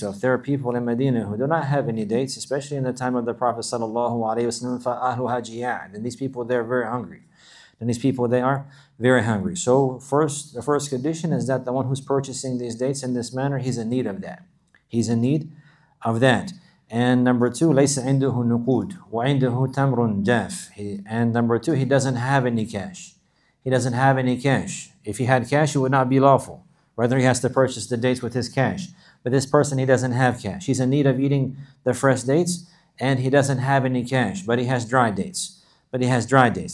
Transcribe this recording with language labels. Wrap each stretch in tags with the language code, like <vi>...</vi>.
<en>So if there are people in Medina who do not have any dates, especially in the time of the Prophet sallallahu alaihi wasallam,</en> <ar>فَأَهْلُ هَجِيَاءٍ,</ar> <en>then these people, they're very hungry. And these people, they are very hungry. So the first condition is that the one who's purchasing these dates in this manner, he's in need of that. He's in need of that. And number two,</en> <ar>لَيْسَ عِنْدُهُ نُقُود وَعِنْدُهُ تَمْرٌ جَافٍ.</ar> <en>And number two, he doesn't have any cash. He doesn't have any cash. If he had cash, it would not be lawful. Rather, he has to purchase the dates with his cash. But this person, he doesn't have cash. He's in need of eating the fresh dates, and he doesn't have any cash, but he has dry dates. But he has dry dates.</en>